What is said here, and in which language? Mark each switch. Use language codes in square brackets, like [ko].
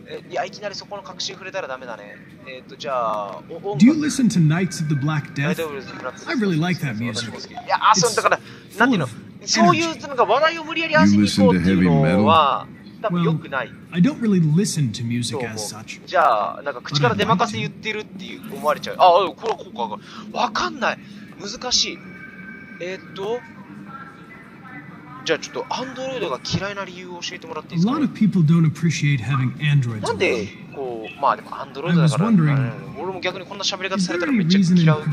[ja] いや、いきなりそこの確信触れたらダメだね。じゃあ、 [en] Do you listen to Knights of the Black Death? I really like that music. [ja] いや、あ、そうだから、何ていうの。そういうなんか話題を無理やり味に行こうっていうのは多分良くない。 [en] Well, I don't really listen to music as such. [ja] じゃあなんか口から出まかせ言ってるっていう思われちゃう。ああ、これこうか。わかんない。難しい。じゃあちょっとアンドロイドが嫌いな理由を教えてもらっていいですか。 [en] A lot of people don't appreciate having Androids. [ja] なんでこう、まあでもアンドロイドだから。俺も逆にこんな喋り方されたらめっちゃ嫌うけど。